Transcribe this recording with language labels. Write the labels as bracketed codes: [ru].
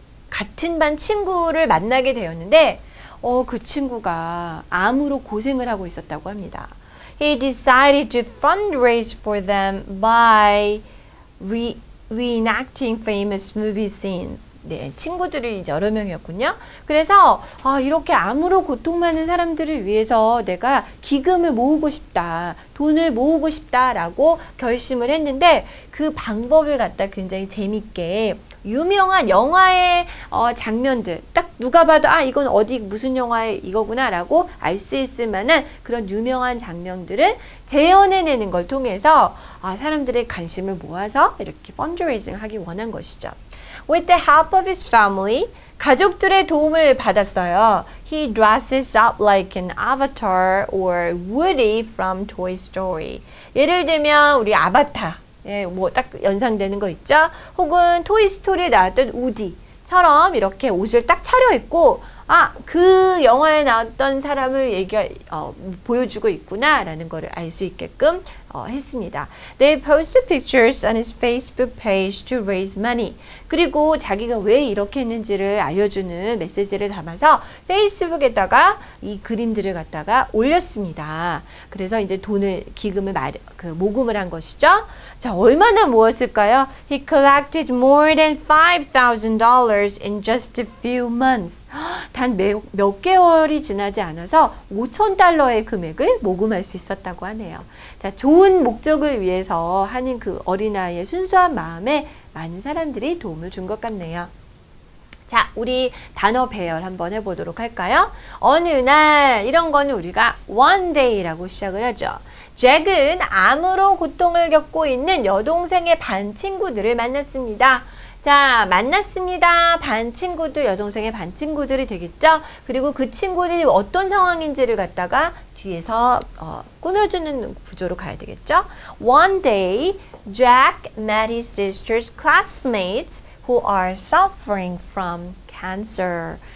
[ko] 같은 반 친구를 만나게 되었는데 그 친구가 암으로 고생을 하고 있었다고 합니다. [en] He decided to fundraise for them by reenacting famous movie scenes. [ko] 네, 친구들이 이제 여러 명이었군요. 그래서 이렇게 암으로 고통받는 사람들을 위해서 내가 기금을 모으고 싶다, 돈을 모으고 싶다라고 결심을 했는데 그 방법을 갖다 굉장히 재밌게 유명한 영화의 장면들 딱 누가 봐도 이건 어디 무슨 영화의 이거구나라고 알 수 있을 만한 그런 유명한 장면들을 재현해내는 걸 통해서 사람들의 관심을 모아서 이렇게 펀드레이징 하기 원한 것이죠. [en] With the help of his family, [ko] 가족들의 도움을 받았어요. [en] He dresses up like an avatar or Woody from Toy Story. [ko] 예를 들면 우리 아바타, 예, 뭐 딱 연상되는 거 있죠? 혹은 토이스토리에 나왔던 우디처럼 이렇게 옷을 딱 차려입고 그 영화에 나왔던 사람을 보여주고 있구나라는 거를 알 수 있게끔 했습니다. [en] They posted pictures on his Facebook page to raise money. [ko] 그리고 자기가 왜 이렇게 했는지를 알려주는 메시지를 담아서 페이스북에다가 이 그림들을 갖다가 올렸습니다. 그래서 이제 돈을 기금을 모금을 한 것이죠. 자, 얼마나 모았을까요? [en] He collected more than $5,000 in just a few months. [ko] 단 몇 개월이 지나지 않아서 5,000달러의 금액을 모금할 수 있었다고 하네요. 자, 좋은 목적을 위해서 하는 그 어린아이의 순수한 마음에 많은 사람들이 도움을 준 것 같네요. 자, 우리 단어 배열 한번 해보도록 할까요? 어느 날, 이런 거는 우리가 one day라고 시작을 하죠. 잭은 암으로 고통을 겪고 있는 여동생의 반 친구들을 만났습니다. 자, 만났습니다. 반 친구들, 여동생의 반 친구들이 되겠죠? 그리고 그 친구들이 어떤 상황인지를 갖다가 뒤에서 꾸며주는 구조로 가야 되겠죠? [en] One day, Jack met his sister's classmates who are suffering from cancer.